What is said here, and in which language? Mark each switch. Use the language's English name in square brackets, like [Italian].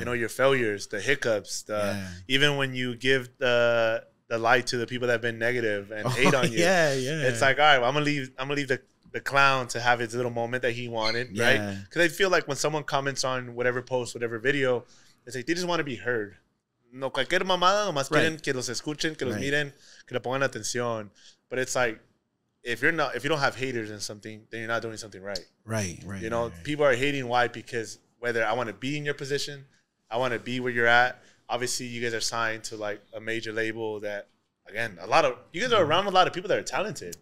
[English] You know, your failures, the hiccups, even when you give the light to the people that have been negative and hate on you. Yeah. It's like, all right, well, I'm gonna leave the clown to have his little moment that he wanted, right? Because I feel like when someone comments on whatever post, whatever video, it's like, they just want to be heard. [Spanish] No cualquier mamada, nomás quieren que los escuchen, que los miren, que le pongan atención. [English] But it's like, if you don't have haters in something, then you're not doing something right. Right. You know, people are hating. Why? Because whether I want to be in your position, I want to be where you're at. Obviously, you guys are signed to like a major label that, again, you guys are around a lot of people that are talented.